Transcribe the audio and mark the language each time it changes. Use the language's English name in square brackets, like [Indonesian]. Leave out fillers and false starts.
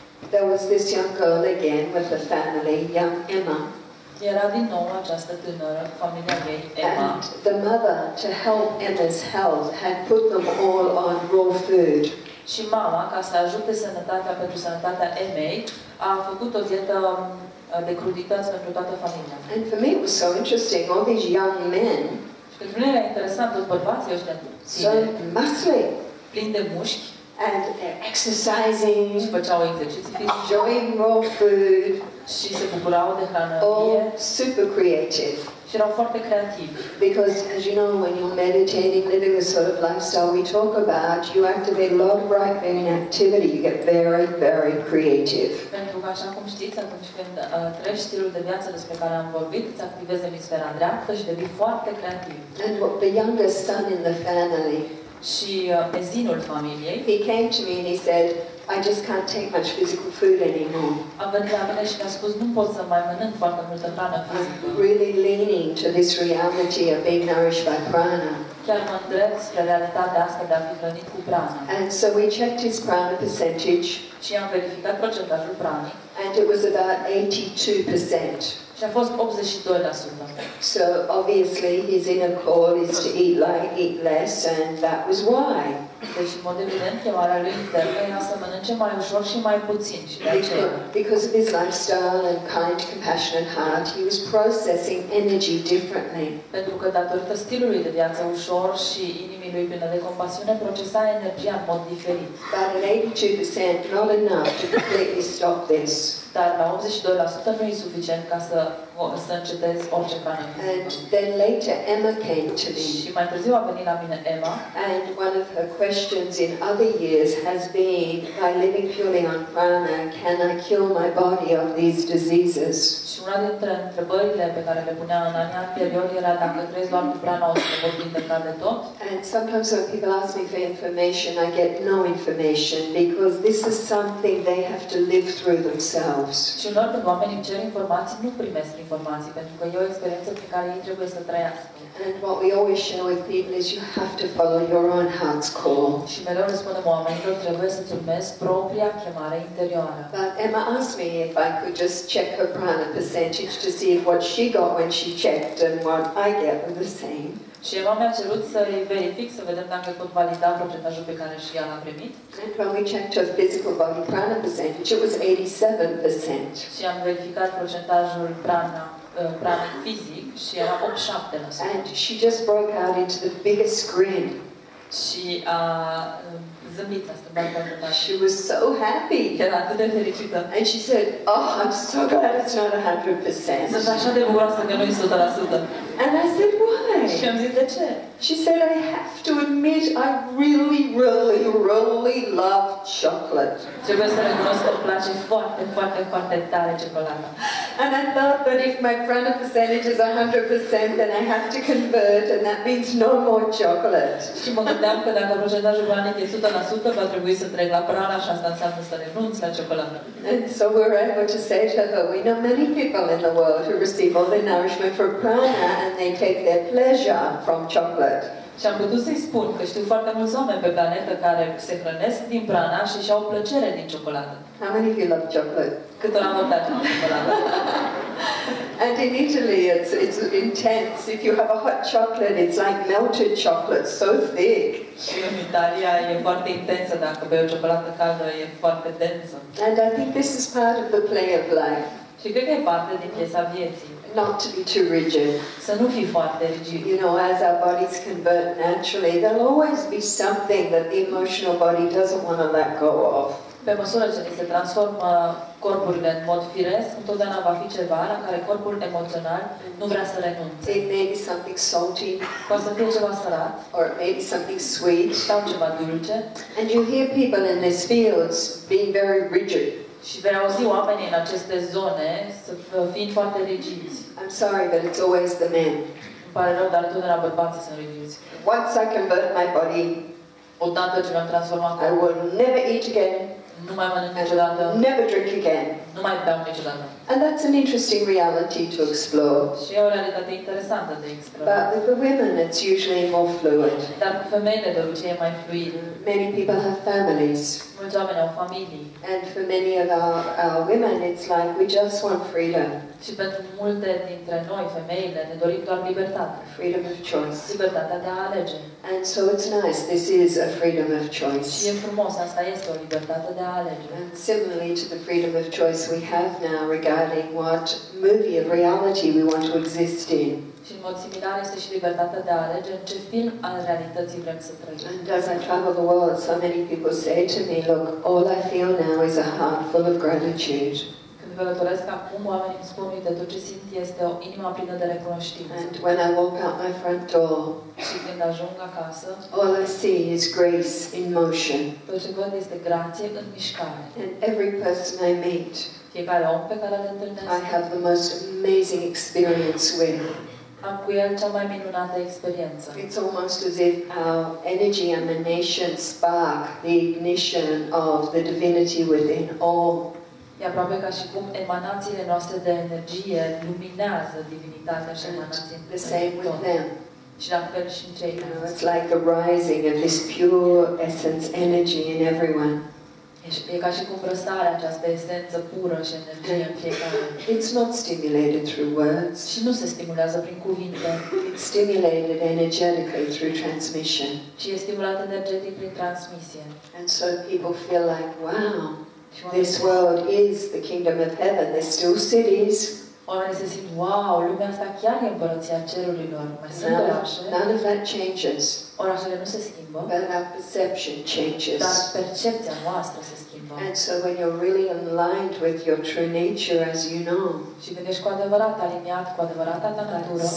[English] There was this young girl again with the family, young Emma. [Romanian] Era din nou această tânără, familia ei, Emma. [English] And the mother, to help Emma's health, had put them all on raw food. [Romanian] Și mama, ca să ajute sănătatea pentru sănătatea Emei, a făcut o dietă de crudități pentru toată familia. [English] And for me it was so interesting, all these young men. [Romanian] Și pentru mine era interesant, toți bărbații ăștia. [English] So muscly. [Romanian] Plin de mușchi. [English] And exercising. [Romanian] Și făceau exerciții fizice. [English] Enjoying raw food. [Romanian] Și se bucurau de hrană vie. [English] All super creative. [Romanian] Și erau foarte creativi. [English] Because, as you know, when you're meditating, living the sort of lifestyle we talk about, you activate a lot of right brain activity. You get very, very creative. [Romanian] Pentru că, așa cum știți, atunci când treci stilul de viață despre care am vorbit, îți activezi emisfera dreaptă și devii foarte creativ. [English] And what the youngest son in the family, [Romanian] și vezinul familiei, [English] he came to me and he said, I just can't take much physical food anymore. [Romanian] A venit la mine și mi-a spus, nu pot să mai mănânc foarte multă hrană fizică. [English] I'm really leaning to this reality of being nourished by prana. [Romanian] Chiar mă îndrept spre realitatea asta de a fi hrănit cu prana. [English] And so we checked his prana percentage. [Romanian] Și am verificat procentajul pranic. [English] And it was about 82%. [Romanian] Și a fost 82%. [English] So obviously his inner call is to eat light, eat less, and that was why. [Romanian] Deci, în mod evident, chemarea lui internă era să mănânce mai ușor și mai puțin. Și [English] because of his lifestyle and kind, compassionate heart, he was processing energy differently. [Romanian] Pentru că datorită stilului de viață ușor și inimii lui plină de compasiune, procesa energia în mod diferit. [English] But at 82%, not enough to completely stop this. [Romanian] Dar la 82% nu e suficient ca să încetez orice prană. [English] And then later Emma came to me. [Romanian] Și mai târziu a venit la mine Emma. [English] And one of her questions in other years has been, by living purely on prana, can I cure my body of these diseases? [Romanian] Și una dintre întrebările pe care le punea în anii anteriori era, dacă trăiesc doar cu prana, o să pot vindeca de tot? [English] And sometimes when people ask me for information, I get no information, because this is something they have to live through themselves. [Romanian] Și uneori când oamenii cer informații, nu primesc informații. informații, pentru că e o experiență pe care ei trebuie să trăiască. [English] And what we always share with people is you have to follow your own heart's call. [Romanian] Și mereu ne spunem oamenilor, trebuie să urmezi propria chemare interioară. [English] But Emma asked me if I could just check her prana percentage to see what she got when she checked and what I get are the same. [Romanian] Și Eva mi-a cerut să verific, să vedem dacă pot valida procentajul pe care și ea l-a primit. [English] And when we checked her physical body prana percentage, it was 87%. [Romanian] Și am verificat procentajul prana fizic și era 87%. [English] And she just broke out into the biggest grin. [Romanian] Și a zâmbit asta, bine bine. [English] She was so happy. [Romanian] Era atât de fericită. [English] And she said, oh, I'm so glad it's not 100%. [Romanian] Sunt așa de bucuroasă că nu-i 100%. [English] And I said, why? [Romanian] Și am zis, de ce? [English] She said, I have to admit, I really, really, really love chocolate. [Romanian] Trebuie să recunosc că îmi place foarte, foarte, foarte tare ciocolata. [English] And I thought that if my prana percentage is 100%, then I have to convert, and that means no more chocolate. [Romanian] Și mă gândeam că dacă procentajul pranic e 100%, va trebui să trec la prana și asta înseamnă să renunț la ciocolată. [English] And so we're able to say to her, we know many people in the world who receive all their nourishment from prana, and they take their pleasure from chocolate. [Romanian] Și am putut să-i spun că știu foarte mulți oameni pe planetă care se hrănesc din prana și își au plăcere din ciocolată. [English] How many of you love chocolate? [Romanian] Cât l-am votat în ciocolată. [English] And in Italy it's intense. If you have a hot chocolate, it's like melted chocolate, so thick. [Romanian] Și în Italia e foarte intensă, dacă bei o ciocolată caldă e foarte densă. [English] And I think this is part of the play of life. [Romanian] Și cred că e parte din piesa vieții. [English] Not to be too rigid. [Romanian] Să nu fii foarte rigid. [English] You know, as our bodies convert naturally, there'll always be something that the emotional body doesn't want to let go of. [Romanian] Pe măsură ce se transformă corpurile în mod firesc, întotdeauna va fi ceva la care corpul emoțional nu vrea să renunțe. [English] It may be something salty. [Romanian] Poate să fie ceva salat. [English] Or it may be something sweet. [Romanian] Sau ceva dulce. [English] And you hear people in these fields being very rigid. [Romanian] Și vei auzi oamenii în aceste zone fiind foarte rigizi. [English] I'm sorry, but it's always the men. [Romanian] Îmi pare rău, dar întotdeauna bărbații sunt rigizi. [English] Once I convert my body, [Romanian] odată ce m-am transformat, [English] I will never eat again. [Romanian] Nu mai mănânc niciodată. [English] Never drink again. [Romanian] Nu mai beau niciodată. [English] And that's an interesting reality to explore. [Romanian] Și e o realitate interesantă de explorat. [English] But with the women, it's usually more fluid. [Romanian] Dar cu femeile, de obicei, e mai fluid. [English] Many people have families. [Romanian] Mulți oameni au familii. [English] And for many of our women, it's like we just want freedom. [Romanian] Și pentru multe dintre noi, femeile, ne dorim doar libertate. [English] Freedom of choice. [Romanian] Libertatea de a alege. [English] And so it's nice, this is a freedom of choice. [Romanian] Și e frumos, asta este o libertate de a alege. [English] And similarly to the freedom of choice we have now regarding what movie of reality we want to exist in. [Romanian] Și în mod similar este și libertatea de a alege în ce film al realității vrem să trăim. [English] And as I travel the world, so many people say to me, look, all I feel now is a heart full of gratitude. [Romanian] Când călătoresc acum, oamenii îmi spun, uite, tot ce simt este o inimă plină de recunoștință. [English] And when I walk out my front door, [Romanian] și când ajung acasă, [English] all I see is grace in motion. [Romanian] Tot ce văd este grație în mișcare. [English] And every person I meet, [Romanian] fiecare om pe care îl întâlnesc, [English] I have the most amazing experience with. [Romanian] Am cu el cea mai minunată experiență. [English] It's almost as if our energy emanation spark the ignition of the divinity within all. [Romanian] E aproape ca și cum emanațiile noastre de energie luminează divinitatea și emanațiile [English] the same [Romanian] tot. [English] With them. [Romanian] Și la fel și în ceilalți. [English] It's like the rising of this pure essence energy in everyone. [Romanian] E ca și cum răsare această esență pură și energie în fiecare. [English] It's not stimulated through words. [Romanian] Și nu se stimulează prin cuvinte. [English] It's stimulated energetically through transmission. [Romanian] Și e stimulat energetic prin transmisie. [English] And so people feel like, wow, this world is the kingdom of heaven. There's still cities. [Romanian] Oamenii se simt, wow, lumea asta chiar e împărăția cerurilor. Mai sunt orașe. [English] None of that changes. [Romanian] Orașele nu se schimbă. [English] But our perception changes. [Romanian] Dar percepția noastră se schimbă. [English] And so when you're really aligned with your true nature, as you know, [Romanian] și când ești cu adevărat aliniat cu adevărata ta natură,